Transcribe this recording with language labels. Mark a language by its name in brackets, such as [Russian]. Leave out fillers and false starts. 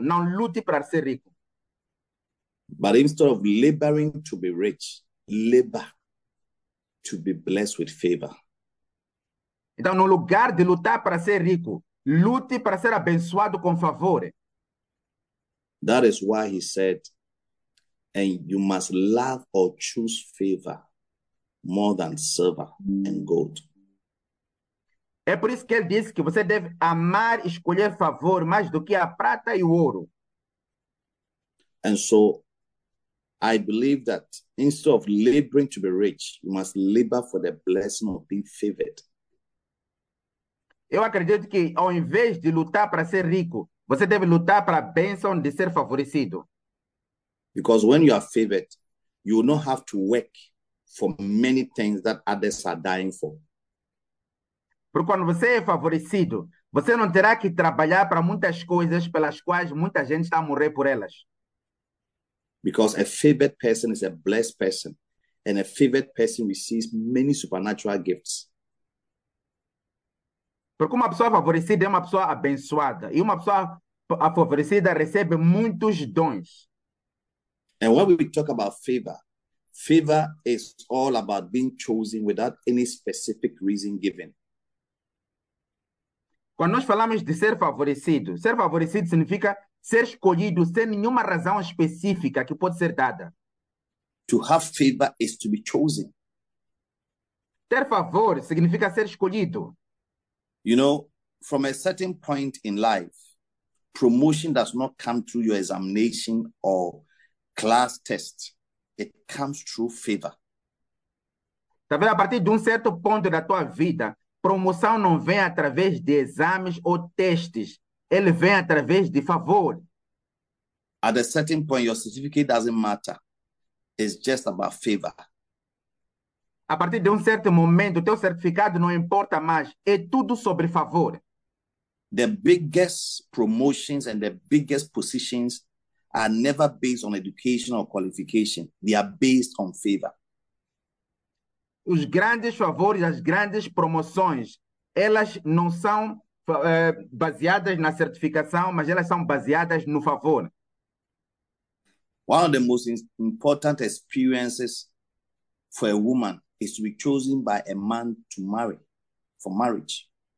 [Portuguese] Não lute para ser rico. [English] But instead of laboring to be rich, labor to be blessed with favor. [Portuguese] Então, no lugar de lutar para ser rico, lute para ser abençoado com favor. [English] That is why he said, and you must love or choose favor more than silver and gold. [Portuguese] É por isso que ele disse que você deve amar e escolher favor mais do que a prata e o ouro. [English] And so, I believe that instead of laboring to be rich, you must labor for the blessing of being favored. [Portuguese] Eu acredito que ao invés de lutar para ser rico, você deve lutar para a bênção de ser favorecido. [English] Because when you are favored, you will not have to work for many things that others are dying for. [Portuguese] Porque quando você é favorecido, você não terá que trabalhar para muitas coisas pelas quais muita gente está a morrer por elas. [English] Because a favored person is a blessed person, and a favored person receives many supernatural gifts. [Portuguese] Porque uma pessoa favorecida é uma pessoa abençoada, e uma pessoa favorecida recebe muitos dons. [English] And when we talk about favor, favor is all about being chosen without any specific reason given. [Portuguese] Quando nós falamos de ser favorecido significa ser escolhido sem nenhuma razão específica que pode ser dada. [English] To have favor is to be chosen. [Portuguese] Ter favor significa ser escolhido. [English] You know, from a certain point in life, promotion does not come through your examination or class test. It comes through favor. [Portuguese] Talvez a partir de certo ponto da tua vida, promoção não vem através de exames ou testes. Ele vem através de favor. [English] At a certain point, your certificate doesn't matter. It's just about favor. [Portuguese] A partir de certo momento, teu certificado não importa mais. É tudo sobre favor. [English] The biggest promotions and the biggest positions are never based on education or qualification. They are based on favor. [Portuguese] Os grandes favores, as grandes promoções, elas não são baseadas na certificação, mas elas são baseadas no favor. [English] One of the most important experiences for a woman is to be chosen by a man to marry, for marriage.